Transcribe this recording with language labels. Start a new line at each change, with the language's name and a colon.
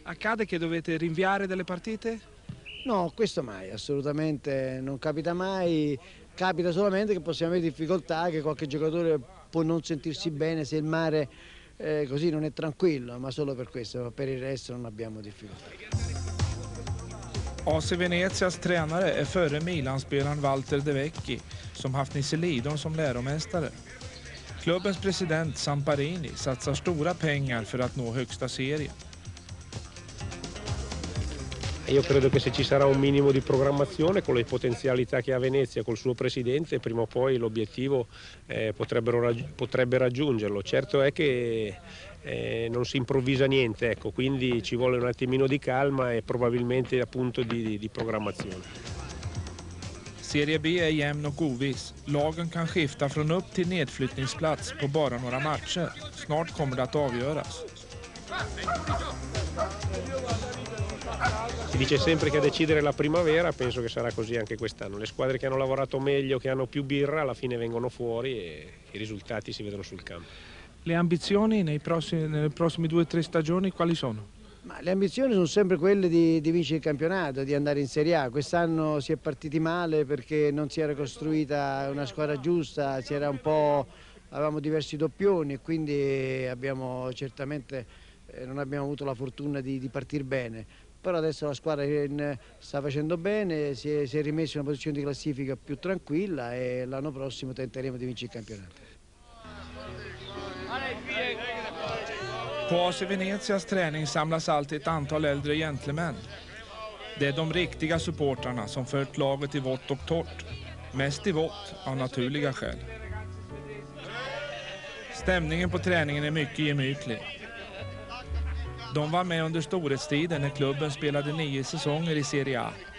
Italian: Accade che dovete rinviare delle partite? No, questo mai, assolutamente non capita mai. Capita solamente che possiamo avere difficoltà, che qualche giocatore può non sentirsi bene se il mare così non è tranquillo, ma solo per questo, per il resto non abbiamo difficoltà.
Swedish: AC Venezias tränare är före Milan-spelaren Walter De Vecchi, som haft Nisse Lidon som läromästare. Klubbens president Samparini satsar stora pengar för att nå högsta serien.
Italian: Io credo che se ci sarà un minimo di programmazione con le potenzialità che ha Venezia, col suo presidente, prima o poi l'obiettivo potrebbe raggiungerlo. Certo è che non si improvvisa niente, ecco, quindi ci vuole un attimino di calma e probabilmente appunto di programmazione.
Swedish: Serie B è jämn och oviss. Lagen kan skifta från upp till nedflyttningsplats på bara några matcher. Snart kommer det att avgöras.
Italian: Si dice sempre che a decidere la primavera, penso che sarà così anche quest'anno. Le squadre che hanno lavorato meglio, che hanno più birra, alla fine vengono fuori e i risultati si vedono sul campo. Le ambizioni nelle prossime 2-3 stagioni quali sono? Ma le ambizioni sono sempre quelle di vincere il campionato, di andare in Serie A. Quest'anno si è partiti male perché non si era costruita una squadra giusta, si era un po', avevamo diversi doppioni e quindi abbiamo certamente non abbiamo avuto la fortuna di partire bene. Però adesso la squadra sta facendo bene, si è rimessa in una posizione di classifica più tranquilla e l'anno prossimo tenteremo di vincere il campionato.
Swedish: På AC Venezias träning samlas alltid ett antal äldre gentlemän. Det är de riktiga supportrarna som fört laget i vått och torrt. Mest i vått, av naturliga skäl. Stämningen på träningen är mycket gemytlig. De var med under storhetstiden när klubben spelade 9 säsonger i Serie A.